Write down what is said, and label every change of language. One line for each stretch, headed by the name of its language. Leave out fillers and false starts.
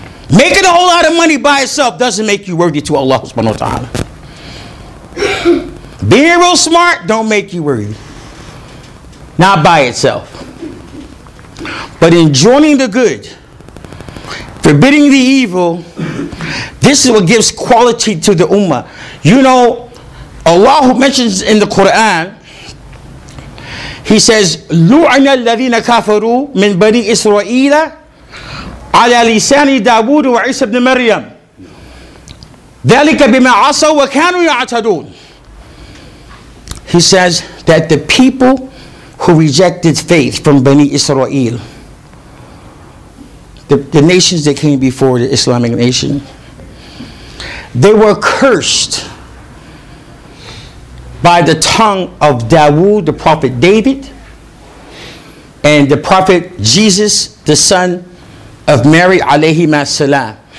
English: Making a whole lot of money by itself doesn't make you worthy to Allah subhanahu wa ta'ala. Being real smart don't make you worthy. Not by itself. But enjoining the good, forbidding the evil, this is what gives quality to the ummah.
Arabic: You know, Allah mentions in the Quran, he says, لُعْنَ الَّذِينَ كَفَرُوا مِنْ بَنِي إِسْرَائِيلَ عَلَى لِسَانِ دَاوُودُ وَعِيسَى بْنِ مَرْيَمَ ذَلِكَ بِمَا عَصَوْا وَكَانُوا يَعْتَدُونَ.
English: He says that the people who rejected faith from Bani Israel, the nations that came before the Islamic nation, they were cursed by the tongue of Dawood, the prophet David, and the prophet Jesus, the son of Mary, alayhi masalam.